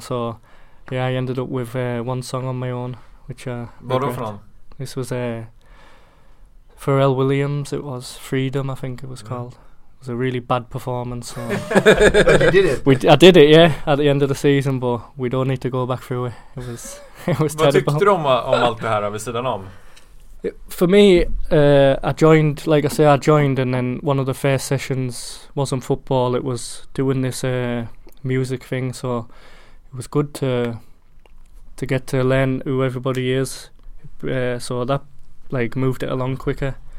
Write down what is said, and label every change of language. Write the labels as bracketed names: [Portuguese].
[English] So, yeah, I ended up with one song on my own, which what was from? This was Pharrell Williams. It was Freedom, I think it was called. It was a really bad performance. So but you did it. I did it, yeah, at the end of the season, but we don't need to go back through it. It was terrible. [Swedish] Vad tyckte du om allt det här vid sidan om? [English] For me, I joined, and then one of the first sessions wasn't football, it was doing this music thing, so it was good to get to learn who everybody is, so that like moved it along quicker.